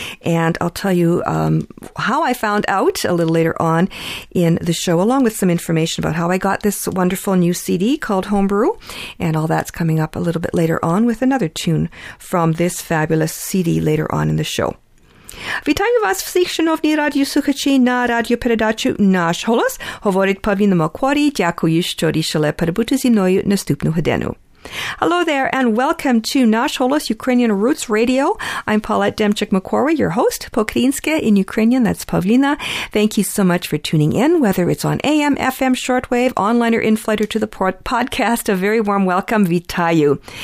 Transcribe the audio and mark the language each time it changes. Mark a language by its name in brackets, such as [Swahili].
[English] And I'll tell you how I found out a little later on in the show, along with some information about how I got this wonderful new CD called Homebrew. And all that's coming up a little bit later on with another tune from this fabulous CD later on in the show. [Ukrainian] Вітаю вас всіх, шановні радіослухачі, на радіопередачу «Наш голос». Говорить Павлін Макварі. Дякую, що рішили перебути зі мною наступну годину. [English] Hello there, and welcome to «Наш голос» Ukrainian Roots Radio. I'm Paulette Demchuk-Makwari, your host, [Ukrainian] по-українське [English] in Ukrainian, that's Павліна. Thank you so much for tuning in, whether it's on AM, FM, shortwave, online, or in-flight, or to the podcast. A very warm welcome. Вітаю.